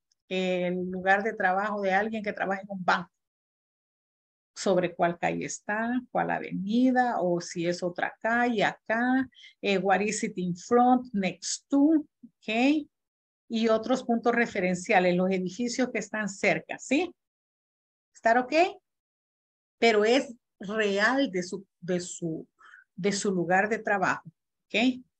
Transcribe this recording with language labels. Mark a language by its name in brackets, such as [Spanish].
[Spanish] el lugar de trabajo de alguien que trabaja en un banco. Sobre cuál calle está, cuál avenida, o si es otra calle, acá. [English] What is it in front, next to, ok. [Spanish] Y otros puntos referenciales, los edificios que están cerca, ¿sí? ¿Estar ok? Pero es real de su lugar de trabajo, ¿ok?